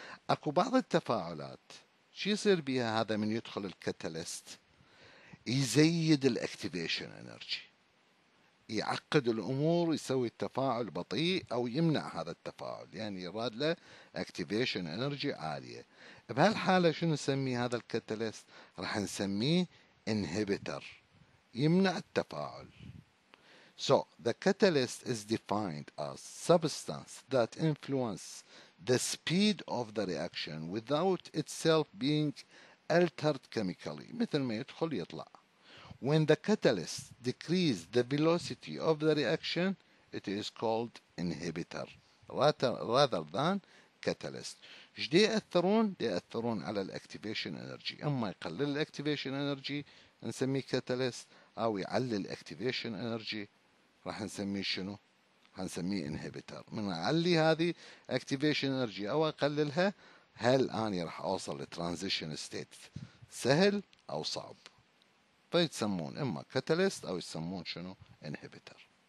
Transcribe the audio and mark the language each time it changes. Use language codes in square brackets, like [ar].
[ar] اكو بعض التفاعلات شو يصير بها؟ هذا من يدخل الكاتاليست يزيد الاكتيفيشن انرجي، يعقد الامور، يسوي التفاعل بطيء او يمنع هذا التفاعل، يعني يراد له اكتيفيشن انرجي عاليه. بهالحاله شو نسميه هذا الكاتاليست؟ راح نسميه انهبيتر، يمنع التفاعل. [en] So the catalyst is defined as substance that influences the speed of the reaction without itself being altered chemically. [ar] مثل ما يدخل يطلع. [en] When the catalyst decreases the velocity of the reaction, it is called inhibitor rather than catalyst. [ar] إيش دي يأثرون؟ دي يأثرون على الاكتيفيشن انرجي. أما يقلل الاكتيفيشن انرجي نسميه catalyst، أو يعلل الاكتيفيشن انرجي راح نسميه شنو؟ هنسميه inhibitor. من أعلي هذه اكتيفيشن انرجي أو أقللها، هل أني راح أوصل لترانزيشن ستيت سهل أو صعب؟ فيتسمون إما كاتاليست أو يسمون شنو؟ inhibitor.